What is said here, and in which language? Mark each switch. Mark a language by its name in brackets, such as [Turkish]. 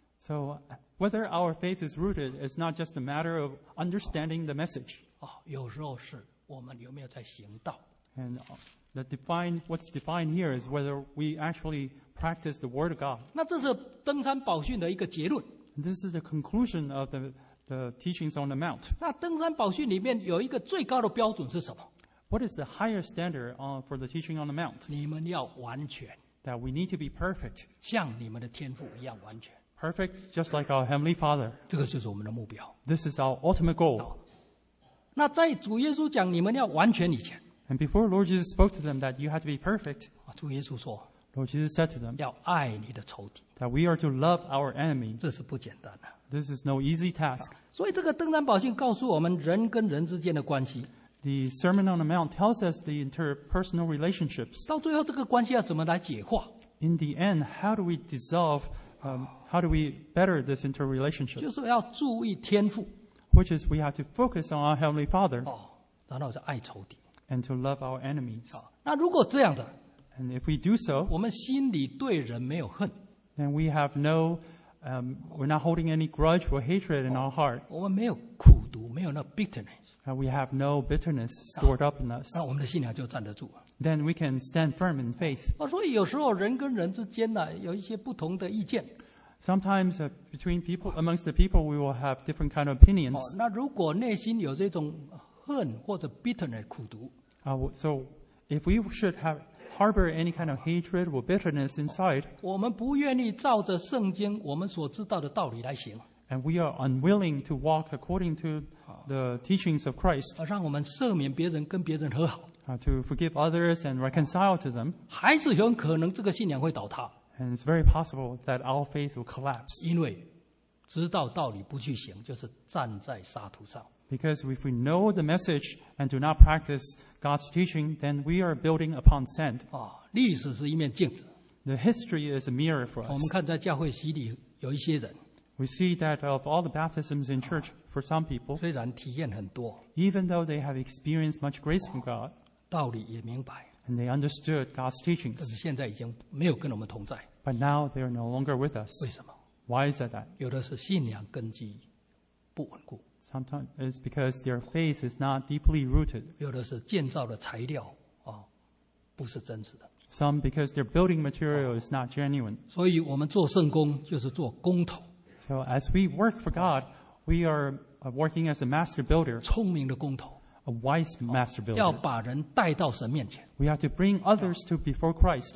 [English] So whether our faith is rooted is not just a matter of understanding the message. [Chinese] 有时候是我们有没有在行道。 [English] And what's defined here is whether we actually practice the word of God. [Chinese] 那这是登山宝训的一个结论。 [English] This is the conclusion of the teachings on the mount. [Chinese] 那登山宝训里面有一个最高的标准是什么？ [English] What is the higher standard for the teaching on the mount? [Chinese] 你们要完全。 [English] That we need to be perfect. [Chinese] 像你们的天父一样完全。 [English] Perfect, just like our Heavenly Father. [Chinese] 这个就是我们的目标。 [English] This is our ultimate goal. [Chinese] 那在主耶稣讲你们要完全以前。 [English] And before Lord Jesus spoke to them that you had to be perfect. [Chinese] 主耶稣说。 [English] Lord Jesus said to them, [Chinese] 要爱你的仇敌。 [English] That we are to love our enemy. [Chinese] 这是不简单的。 [English] This is no easy task. [Chinese] 所以这个登山宝训告诉我们人跟人之间的关系。 [English] The Sermon on the Mount tells us the interpersonal relationships. [Chinese] 到最后这个关系要怎么来解化。 [English] In the end, how do we dissolve, how do we better this interrelationship? [Chinese] 就是要注意天父。 [English] Which is we have to focus on our Heavenly Father. [Chinese] 然后是爱仇敌。 [English] And to love our enemies. [Chinese] 那如果这样的。 [English] And if we do so, [Chinese] 我们心里对人没有恨。 [English] Then we have no, we're not holding any grudge or hatred in our heart. [Chinese] 我们没有苦毒，没有那 bitterness. [English] And we have no bitterness stored up in us. [Chinese] 那我们的信仰就站得住。 [English] Then we can stand firm in faith. [Chinese] 所以有时候人跟人之间呢，有一些不同的意见。 [English] Sometimes amongst the people, we will have different kind of opinions. [Chinese] 那如果内心有这种恨或者 bitterness 苦毒。 [English] So if we should harbor any kind of hatred or bitterness inside, [Chinese] 我们不愿意照着圣经我们所知道的道理来行。 [English] And we are unwilling to walk according to the teachings of Christ. [Chinese] 让我们赦免别人跟别人和好。 [English] To forgive others and reconcile to them. [Chinese] 还是很可能这个信仰会倒塌。 [English] And it's very possible that our faith will collapse. [Chinese] 因为知道道理不去行就是站在沙土上。 [English] Because if we know the message and do not practice God's teaching, then we are building upon sand. [Chinese] 历史是一面镜子。 [English] The history is a mirror for us. [Chinese] 我们看在教会洗礼有一些人。 [English] We see that of all the baptisms in church, for some people, [Chinese] 虽然体验很多。 [English] Even though they have experienced much grace from God, [Chinese] 道理也明白。 [English] And they understood God's teachings. [Chinese] 但是现在已经没有跟我们同在。 [English] But now they are no longer with us. [Chinese] 为什么？ [English] Why is that? [Chinese] 有的是信仰根基不稳固。 [English] Sometimes it's because their faith is not deeply rooted. [Chinese] 有的是建造的材料不是真实的。 [English] Some because their building material is not genuine. [Chinese] 所以我们做圣工就是做工头。 [English] So as we work for God, we are working as a master builder. [Chinese] 聪明的工头。 [English] A wise master builder. [Chinese] 要把人带到神面前。 [English] We have to bring others to before Christ.